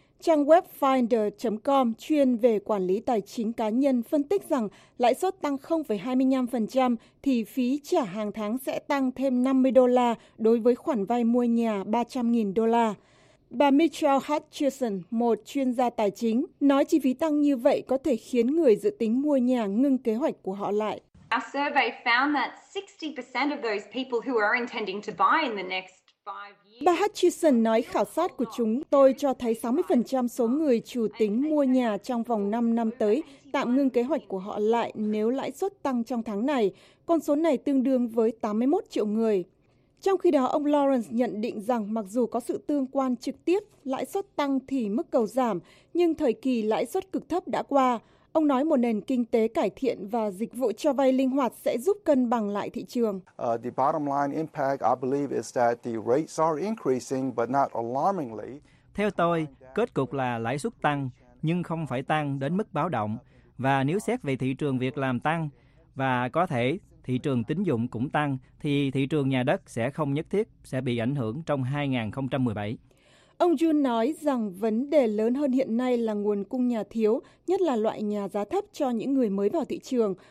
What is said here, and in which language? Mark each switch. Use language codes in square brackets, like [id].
[vi] Trang web Finder.com chuyên về quản lý tài chính cá nhân phân tích rằng lãi suất tăng 0,25% thì phí trả hàng tháng sẽ tăng thêm $50 đối với khoản vay mua nhà $300,000. Bà Michelle Hutchison, một chuyên gia tài chính, nói chi phí tăng như vậy có thể khiến người dự tính mua nhà ngưng kế hoạch của họ lại. [en] Our survey found that 60% of those people who are intending to buy in the next 5 years. [vi] Bà Hutchison nói khảo sát của chúng tôi cho thấy 60% số người chủ tính mua nhà trong vòng 5 năm tới tạm ngưng kế hoạch của họ lại nếu lãi suất tăng trong tháng này. Con số này tương đương với 81 triệu người. Trong khi đó, ông Lawrence nhận định rằng mặc dù có sự tương quan trực tiếp, lãi suất tăng thì mức cầu giảm, nhưng thời kỳ lãi suất cực thấp đã qua. Ông nói một nền kinh tế cải thiện và dịch vụ cho vay linh hoạt sẽ giúp cân bằng lại thị trường. [en] The bottom line impact, I believe, is that the rates are increasing, but not alarmingly. [vi] Theo tôi, kết cục là lãi suất tăng, nhưng không phải tăng đến mức báo động. Và nếu xét về thị trường việc làm tăng, và có thể thị trường tín dụng cũng tăng, thì thị trường nhà đất sẽ không nhất thiết sẽ bị ảnh hưởng trong 2017. Ông Jun nói rằng vấn đề lớn hơn hiện nay là nguồn cung nhà thiếu, nhất là loại nhà giá thấp cho những người mới vào thị trường.